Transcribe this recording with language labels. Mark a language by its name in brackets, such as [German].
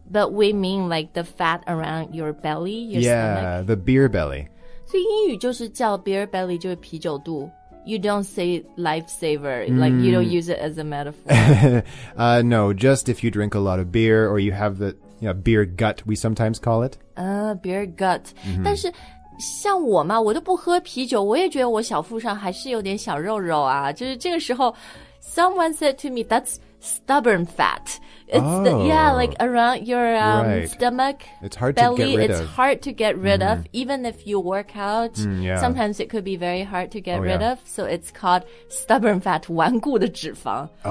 [English] but we mean like the fat around your belly your yeah stomach. The beer belly [Chinese] 所以英语就是叫 beer belly 就是啤酒肚 [English] You don't say lifesaver, like you don't use it as a metaphor. no, just if you drink a lot of beer or you have the you know, beer gut, we sometimes call it. Beer gut. Mm-hmm. [Chinese] 但是像我嘛我都不喝啤酒我也觉得我小腹上还是有点小肉肉啊。就是这个时候 [English] someone said to me, that's stubborn fat. It's the, yeah, like around your stomach, it's hard belly, to get rid it's of. Hard to get rid of, even if you work out. Yeah. Sometimes it could be very hard to get rid of, so it's called stubborn fat, 顽固的脂肪。